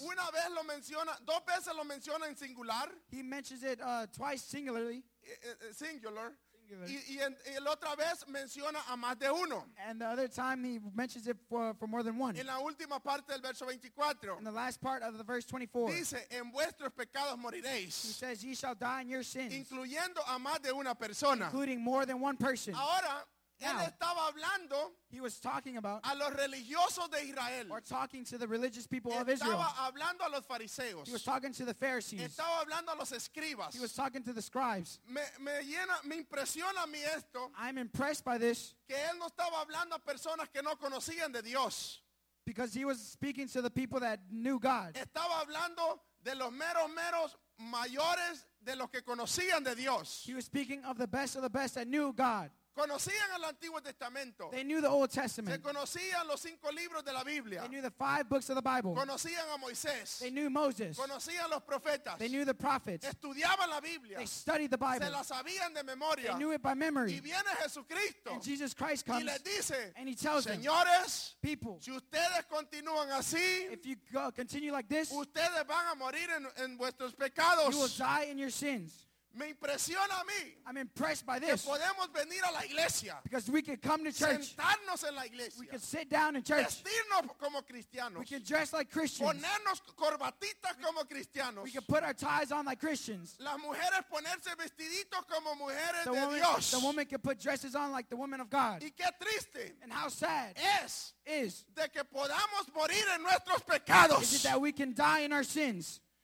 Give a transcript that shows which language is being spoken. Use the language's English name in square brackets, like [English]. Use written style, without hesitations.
[Spanish] Una vez lo menciona, dos veces lo menciona en singular. [English] He mentions it twice singularly. Singular. [Spanish] Y la otra vez menciona a más de uno. [English] And the other time he mentions it for more than one. [Spanish] En la última parte del verso 24. [English] In the last part of the verse 24. [Spanish] Dice, en vuestros pecados moriréis. [English] He says, ye shall die in your sins. [Spanish] Incluyendo a más de una persona. [English] Including more than one person. [Spanish] Ahora, él estaba hablando, [English] he was talking about, [Spanish] a los religiosos de Israel, [English] or talking to the religious people [Spanish] estaba [English] of Israel. [Spanish] Estaba hablando a los fariseos, [English] he was talking to the Pharisees. [Spanish] Estaba hablando a los escribas, [English] he was talking to the scribes. [Spanish] Me impresiona a mí esto, [English] I'm impressed by this, [Spanish] que él no estaba hablando a personas que no conocían de Dios, [English] because he was speaking to the people that knew God. [Spanish] Estaba hablando de los meros meros mayores de los que conocían de Dios. [English] He was speaking of the best that knew God. [Spanish] Conocían el Antiguo Testamento. [English] They knew the Old Testament. [Spanish] Se conocían los cinco libros de la Biblia. [English] They knew the five books of the Bible. [Spanish] Conocían a Moisés. [English] They knew Moses. [Spanish] Conocían los profetas. [English] They knew the prophets. [Spanish] Estudiaban la Biblia. [English] They studied the Bible. [Spanish] Se la sabían de memoria. [English] They knew it by memory. [Spanish] Y viene Jesucristo. [English] And Jesus Christ comes. [Spanish] Y les dice, [English] and he tells [Spanish] señores, [English] them, people, [Spanish] si ustedes continúan así, [English] if you go, continue like this, [Spanish] ustedes van a morir en vuestros pecados. [English] You will die in your sins. [Spanish] Me impresiona a mí. [English] I'm impressed by this. [Spanish] Que podemos venir a la iglesia. [English] Because we can come to church. [Spanish] Sentarnos en la iglesia. [English] We can sit down in church. [Spanish] Vestirnos como cristianos. [English] We can dress like Christians. [Spanish] Ponernos corbatitas como cristianos. [English] We can put our ties on like Christians. [Spanish] Las mujeres ponerse vestiditos como mujeres de Dios. [English] The woman can put dresses on like the woman of God. [Spanish] Y qué triste. [English] And how sad. [Spanish] Es. [English] Is. [Spanish] De que podamos morir en nuestros pecados. [English] Is it that we can die in our sins?